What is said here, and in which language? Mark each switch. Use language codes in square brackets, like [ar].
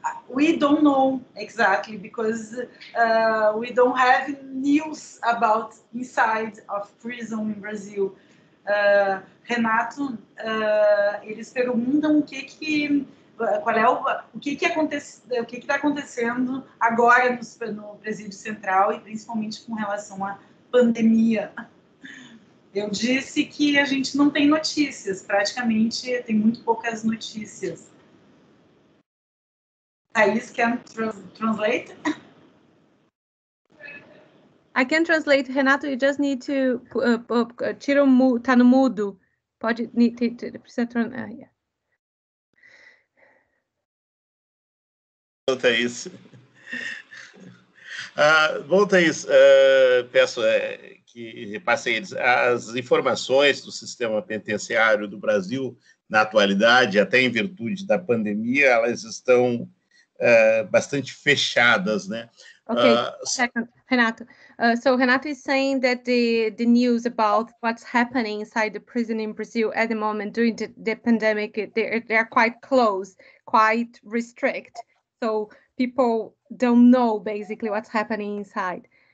[en] We don't know exactly, because we don't have news about inside of prison in Brazil. [pt] Renato, eles perguntam o que está acontecendo agora no presídio central, e principalmente com relação à pandemia. Eu disse que a gente não tem notícias, praticamente tem muito poucas notícias. [en] Thaís, can translate? I can translate, Renato, you just need to [pt] tira o mudo, tá no mudo. pode [en] need to [pt] precisa tornar. Yeah. Volta isso. Volta isso. Peço que repasse as informações do sistema penitenciário do Brasil na atualidade, até em virtude da pandemia, elas estão bastante fechadas, né? [en] Okay, second, Renato. So Renato is saying that the news about what's happening inside the prison in Brazil at the moment during the pandemic, they are quite close, quite restrict. So people don't know basically what's happening inside.